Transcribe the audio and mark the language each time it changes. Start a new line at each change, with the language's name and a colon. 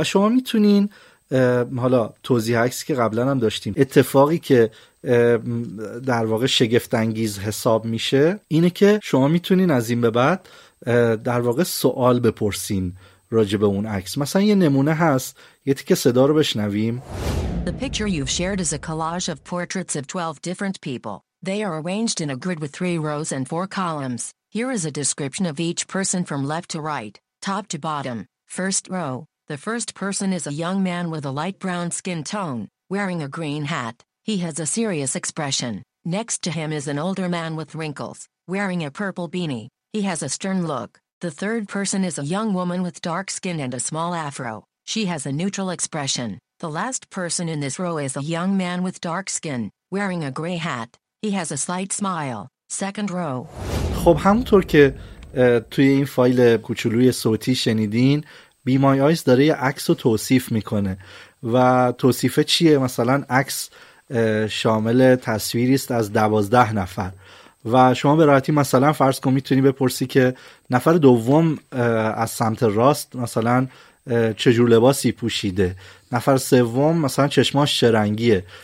Persian: و شما میتونین حالا توضیح عکسی که قبلا هم داشتیم، اتفاقی که در واقع شگفت انگیز حساب میشه اینه که شما میتونین از این به بعد در واقع سوال بپرسین راجع به اون عکس. مثلا یه نمونه هست، یه تیکه صدا رو بشنویم.
English: The picture you've shared is a collage of portraits of 12 different people. They are arranged in a grid with 3 rows and 4 columns. Here is a description of each person from left to right, top to bottom. First row, the first person is a young man with a light brown skin tone, wearing a green hat. He has a serious expression. Next to him is an older man with wrinkles, wearing a purple beanie. He has a stern look. The third person is a young woman with dark skin and a small afro. She has a neutral expression. The last person in this row is a young man with dark skin, wearing a gray hat. He has a slight smile. Second row.
Persian: خب همونطور که توی این فایل کوچولوی صوتی شنیدین، بی مای آیز داره یه عکس رو توصیف میکنه و توصیفه چیه؟ مثلا عکس شامل تصویری است از 12 نفر و شما به راحتی مثلا فرض کن میتونی بپرسی که نفر دوم از سمت راست مثلا چه جور لباسی پوشیده، نفر سوم مثلا چشماش چه رنگیه.